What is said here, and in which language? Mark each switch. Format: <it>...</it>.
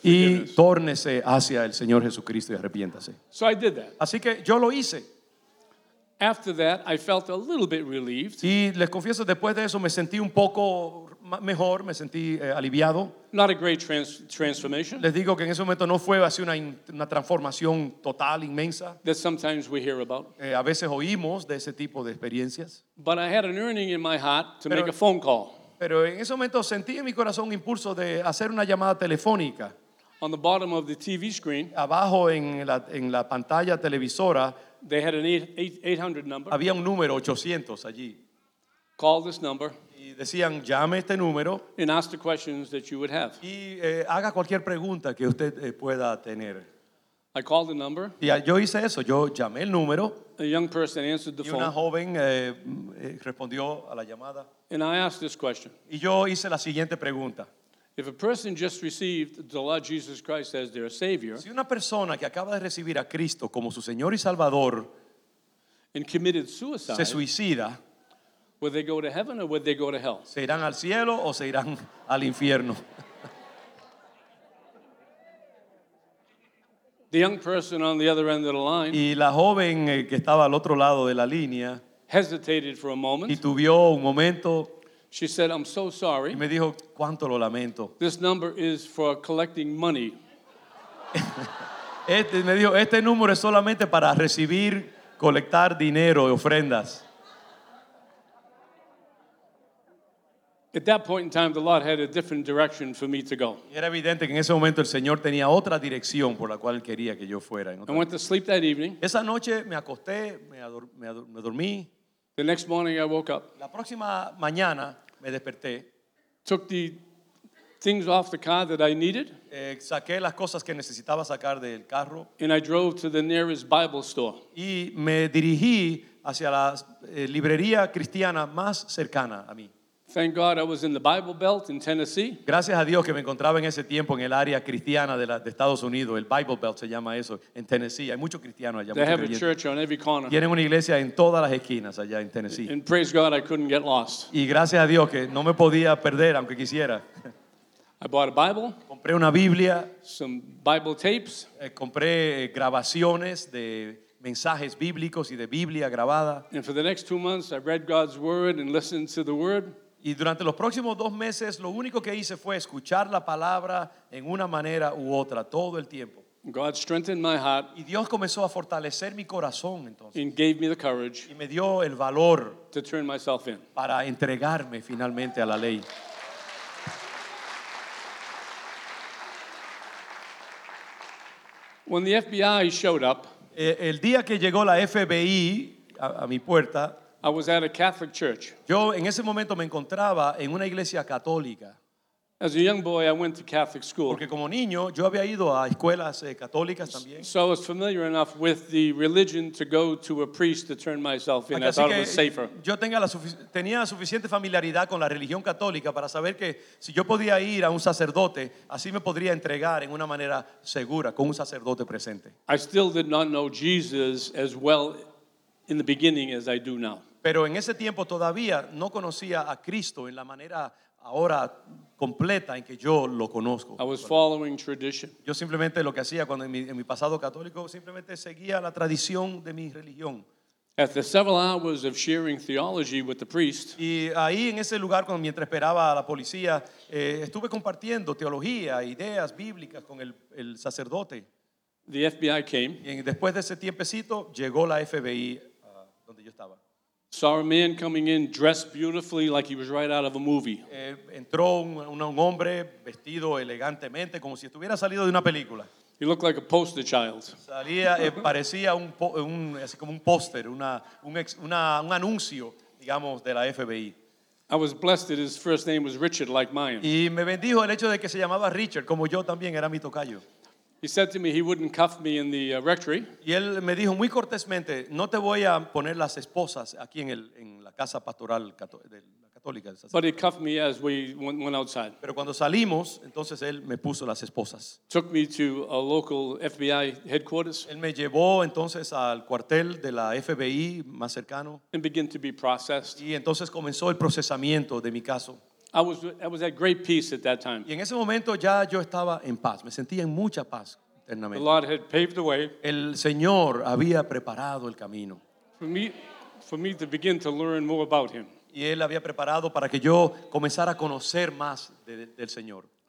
<en>forgiveness.</en> <es>Y tórnese hacia el Señor Jesucristo y arrepiéntase.</es> <en>So I did that.</en> <es>Así que yo lo hice.</es> <en>After that, I felt a little bit relieved.</en> <es>Y les confieso, después de eso me sentí un poco mejor, me sentí aliviado.</es> <en>Not a great transformation.</en> <es>Les digo que en ese momento no fue así una transformación total, inmensa.</es> <en>That sometimes we hear about.</en> <es>A veces oímos de ese tipo de experiencias.</es> <en>But I had an yearning in my heart to make a phone call.</en> <es>Pero en ese momento sentí en mi corazón un impulso de hacer una llamada telefónica.</es> <en>On the bottom of the TV screen.</en> <es>Abajo en la pantalla televisora.</es> <en>They had an 800 number.</en> <es>Había un número 800 allí.</es> <en>Call this number.</en> <es>Y decían, llame este número.</es> <en>And ask the questions that you would have.</en> <es>Y haga cualquier pregunta que usted pueda tener.</es> <en>I called the number.</en> <es>Y yo hice eso. Yo llamé el número.</es> <en>A young person answered the phone.</en> <es>Y una joven respondió a la llamada.</es> <en>And I asked this question.</en> <es>Y yo hice la siguiente pregunta.</es> <en>If a person just received the Lord Jesus Christ as their Savior,</en> <es>si una persona que acaba de recibir a Cristo como su Señor y Salvador,</es> <en>and committed suicide,</en> <es>se suicida,</es> <en>would they go to heaven or would they go to hell?</en> <es>¿Se irán al cielo o se irán al infierno?</es> <en>The young person on the other end of the line,</en> <es>y la joven que estaba al otro lado de la línea,</es> <en>hesitated for a moment,</en> <es>y tuvió un momento.</es> <en>She said, "I'm so sorry."</en> <es>Y me dijo, "Cuánto lo lamento."</es> <en>This number is for collecting money.</en> <es>me dijo, "Este número es solamente para recibir, colectar dinero y ofrendas."</es> <en>At that point in time, the Lord had a different direction for me to go.</en> <es>Era evidente que en ese momento el Señor tenía otra dirección por la cual quería que yo fuera.</es> <en>I went to sleep that evening.</en> <es>Esa noche me acosté, me dormí.</es> <en>The next morning I woke up.</en> <es>La próxima mañana me desperté.</es> <en>Took the things off the car that I needed.</en> <es>Saqué las cosas que necesitaba sacar del carro.</es> <en>And I drove to the nearest Bible store.</en> <es>Y me dirigí hacia la librería cristiana más cercana a mí.</es> <en>Thank God I was in the Bible Belt in Tennessee.</en> <es>Gracias a Dios que me encontraba en ese tiempo en el área cristiana de Estados Unidos. El Bible Belt se llama eso en Tennessee. Hay muchos cristianos allá.</es> <en>They have a church on every corner.</en> <es>Tienen una iglesia en todas las esquinas allá en Tennessee.</es> <en>And praise God I couldn't get lost.</en> <es>Y gracias a Dios que no me podía perder aunque quisiera.</es> <en>I bought a Bible.</en> <es>Compré una Biblia.</es> <en>Some Bible tapes.</en> <es>Compré grabaciones de mensajes bíblicos y de Biblia grabada.</es> <en>And for the next 2 months I read God's word and listened to the word.</en> <es>Y durante los próximos 2 meses, lo único que hice fue escuchar la palabra en una manera u otra, todo el tiempo.</es> <en>God strengthened my heart.</en> <es>Y Dios comenzó a fortalecer mi corazón, entonces.</es> <en>And gave me the courage.</en> <es>Y me dio el valor.</es> <en>To turn myself in.</en> <es>Para entregarme finalmente a la ley.</es> <en>When the FBI showed up,</en> <es>el día que llegó la FBI a mi puerta,</es> <en>I was at a Catholic church.</en> <es>Yo en ese momento me encontraba en una iglesia católica.</es> <en>As a young boy, I went to Catholic school.</en> <es>Porque como niño, yo había ido a escuelas católicas también.</es> <en>So I was familiar enough with the religion to go to a priest to turn myself in.</en> <es>Así</es> <en>I thought it was safer.</en> <es>Yo tenía suficiente familiaridad con la religión católica para saber que si yo podía ir a un sacerdote, así me podría entregar en una manera segura con un sacerdote presente.</es> <en>I still did not know Jesus as well in the beginning as I do now.</en> <es>Pero en ese tiempo todavía no conocía a Cristo en la manera ahora completa en que yo lo conozco.</es> <en>I was following tradition.</en> <es>Yo simplemente lo que hacía cuando en mi pasado católico simplemente seguía la tradición de mi religión.</es> <en>After several hours of sharing theology with the priest,</en> <es>y ahí en ese lugar cuando mientras esperaba a la policía, estuve compartiendo teología, ideas bíblicas con el sacerdote.</es> <en>The FBI came.</en> <es>Y después de ese tiempecito llegó la FBI donde yo estaba.</es> <en>Saw a man coming in dressed beautifully like he was right out of a movie.</en> <es>Entró un hombre vestido elegantemente como si estuviera salido de una película.</es> <en>He looked like a poster child.</en> <es>Parecía un póster, un anuncio, digamos, de la FBI.</es> <en>I was blessed that his first name was Richard, like mine.</en> <es>Y me bendijo el hecho de que se llamaba Richard, como yo también era mi tocayo.</es> <en>He said to me he wouldn't cuff me in the rectory.</en> <es>Y él me dijo muy cortésmente, no te voy a poner las esposas aquí en la casa pastoral católica.</es> <en>But he cuffed me as we went outside.</en> <es>Pero cuando salimos, entonces él me puso las esposas.</es> <en>Took me to a local FBI headquarters.</en> <es>Él me llevó entonces al cuartel de la FBI más cercano.</es> <en>And began to be processed.</en> <es>Y entonces comenzó el procesamiento de mi caso.</es> <en>I was at great peace at that time.</en> <es>Y en ese momento ya yo estaba en paz. Me sentía en mucha paz internamente.</es> <en>The Lord had paved the way.</en> <es>El Señor había preparado el camino.</es> <en>For me to begin to learn more about Him.</en> <es>Y él había preparado para que yo comenzara a conocer más del Señor.</es>